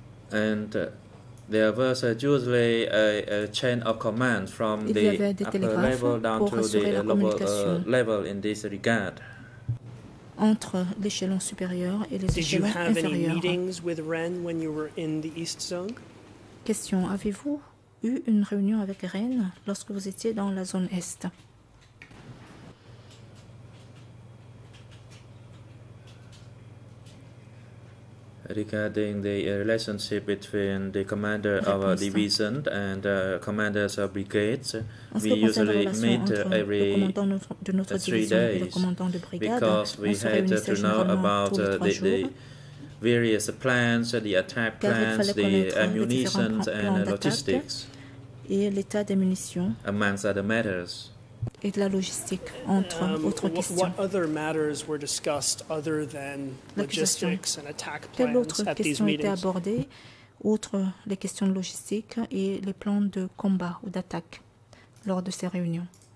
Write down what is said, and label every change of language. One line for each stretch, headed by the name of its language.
English: And there was usually a chain of command from
French: Il
English: the upper level down to the lower level in this regard.
French: Entre l'échelon supérieur et l'échelon
English: Did you have
French: inférieur.
English: Any meetings with Ren when you were in the East Zone?
French: Question. Avez-vous eu une réunion avec Ren lorsque vous étiez dans la zone Est?
English: Regarding the relationship between the commander of a division and commanders of brigades, we usually meet every 3 days because we had to know about the various plans, the attack plans, the ammunition and logistics,
French: et l'état des munitions.
English: Amongst other matters.
French: Et de la logistique, entre autres questions.
English: What other matters were discussed other than logistics and attack plans at these meetings?
French: Quelles autres questions étaient abordées, outre les questions de logistique et les plans de combat ou d'attaque lors de ces réunions?